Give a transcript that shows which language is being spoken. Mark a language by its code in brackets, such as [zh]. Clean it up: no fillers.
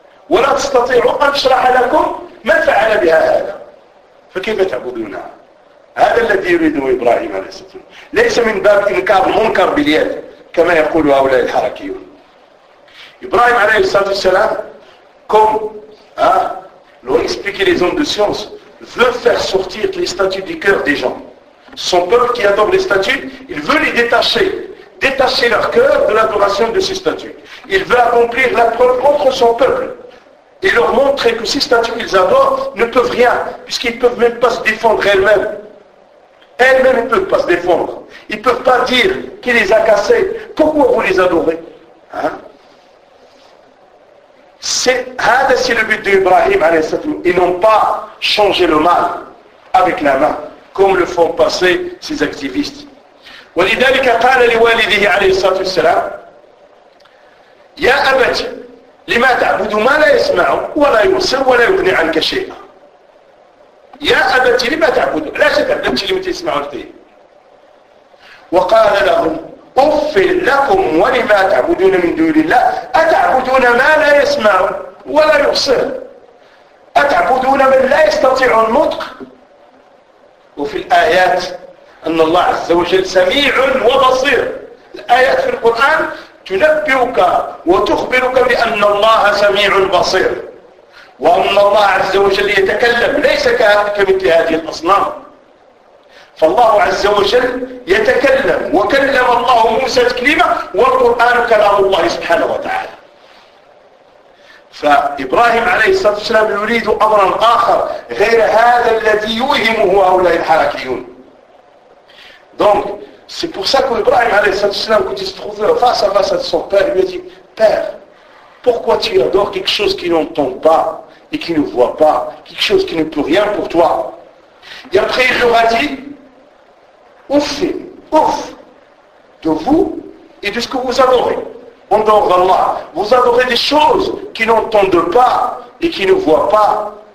[ar] ولا تستطيع أن أشرح لكم ما فعل بها هذا فكيف تعبدونها؟ هذا الذي يريده إبراهيم عليه الصلاة والسلام. ليس من باب إنكار منكر باليد كما يقول هؤلاء الحركيون. [fr] إبراهيم عليه الصلاة والسلام comme l'ont expliqué les hommes de science veut faire sortir les statues du cœur des gens. Son peuple qui adore les statues, il veut les détacher leur cœur de l'adoration de ces statues. Il veut accomplir la preuve contre son peuple et leur montrer que ces statues qu'ils adorent ne peuvent rien, puisqu'ils ne peuvent même pas se défendre elles-mêmes. Elles-mêmes ne peuvent pas se défendre. Ils ne peuvent pas dire qui les a cassés. Pourquoi vous les adorez? C'est le but d'Ibrahim, alayhi sallam. Ils n'ont pas changé le mal avec la main, comme le font passer ces activistes. [ar] « Walidalika qala li walidihi alayhi sallam, ya abati » لما تعبد ما لا يسمع ولا يبصر ولا يغني عنك شيئا يا أبت لما تعبد لا تعبد لما تسمع فيه وقال لهم أف لكم ولما تعبدون من دون الله أتعبدون ما لا يسمع ولا يبصر أتعبدون من لا يستطيع النطق وفي الآيات أن الله عز وجل سميع وبصير الآيات في القرآن تنبئك وتخبرك بأن الله سميع بصير وأن الله عز وجل يتكلم ليس كمثل هذه الأصنام. فالله عز وجل يتكلم وكلم الله موسى تكليما والقرآن كلام الله سبحانه وتعالى. فإبراهيم عليه الصلاة والسلام يريد أمرا آخر غير هذا الذي يوهمه هؤلاء الحركيون. دونك [fr] C'est pour ça qu'Ibrahim, quand il se trouvait face à son père, il lui a dit, « Père, pourquoi tu adores quelque chose qui n'entend pas et qui ne voit pas, quelque chose qui ne peut rien pour toi ?» Et après, il leur a dit, « Ouf de vous et de ce que vous adorez, en dehors d'Allah, vous adorez des choses qui n'entendent pas et qui ne voient pas.